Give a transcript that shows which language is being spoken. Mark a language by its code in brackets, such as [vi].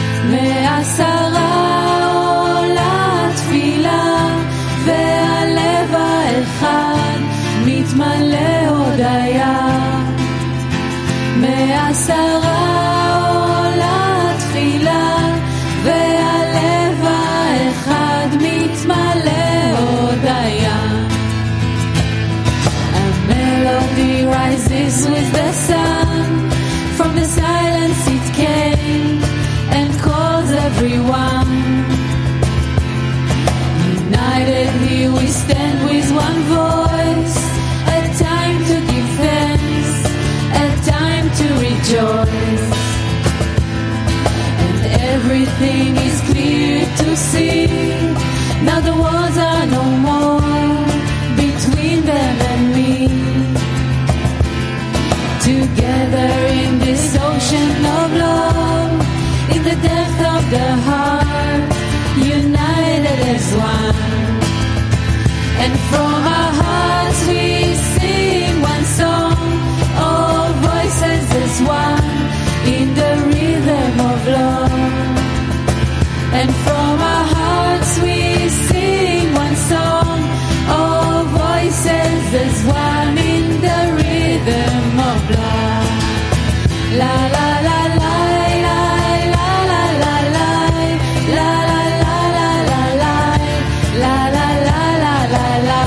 [he] מעשרה עולה התפילה והלב האחד מתמלא הודיה מעשרה עולה התפילה והלב האחד מתמלא הודיה [en] A melody rises with the sun The silence it came and calls everyone. United here we stand with one voice. A time to give thanks, a time to rejoice. And everything is clear to see. Now the walls are no more between them and me. Together in this ocean of love, in the depth of the heart, united as one. And from our hearts we sing one song, all voices as one, in the rhythm of love. And from our hearts we sing one song, all voices as one, in the rhythm of love. La la la la la la la la la la la la la la la la la la la la la la la la la la la la la la la la la la la la la la